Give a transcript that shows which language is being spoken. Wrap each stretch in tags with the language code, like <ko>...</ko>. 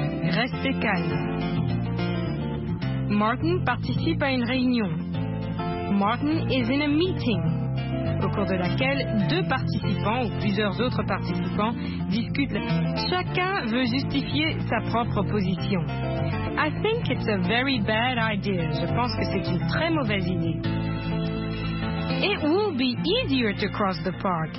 <fr>Restez calme. Martin participe à une réunion.</fr> <en>Martin is in a meeting,</en> <fr>au cours de laquelle deux participants ou plusieurs autres participants discutent. Chacun veut justifier sa propre position.</fr> <en>I think it's a very bad idea.</en> <fr>Je pense que c'est une très mauvaise idée.</fr> <en>It will be easier to cross the park.</en>